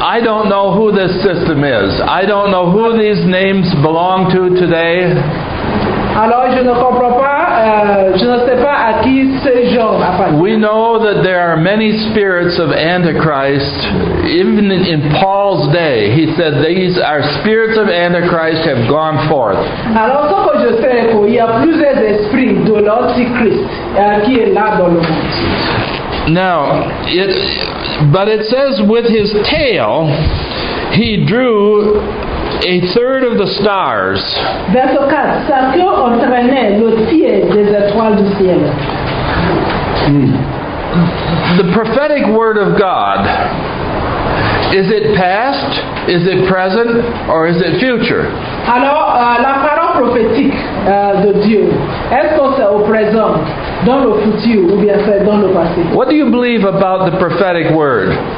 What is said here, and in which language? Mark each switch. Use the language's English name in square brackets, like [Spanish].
[English] I don't know who this system is. I don't know who these names belong to today. [French] Alors je ne comprends pas, je ne sais pas à qui ces gens appartiennent. [English] We know that there are many spirits of Antichrist. Even in Paul's day, he said these are spirits of Antichrist have gone forth. [French] Alors ce que je sais, qu'il y a plusieurs esprits de l'Antichrist qui est là dans le monde. [English] Now, it says with his tail, he drew a third of the stars. [French] Verso 4, sa queue entraînait le tiers des étoiles du ciel. [English] The prophetic word of God, is it past, is it present, or is it future? [French] Alors, la parole prophétique de Dieu, est-ce que c'est au présent, dans le futur, ou bien c'est dans le passé? [English] What do you believe about the prophetic word?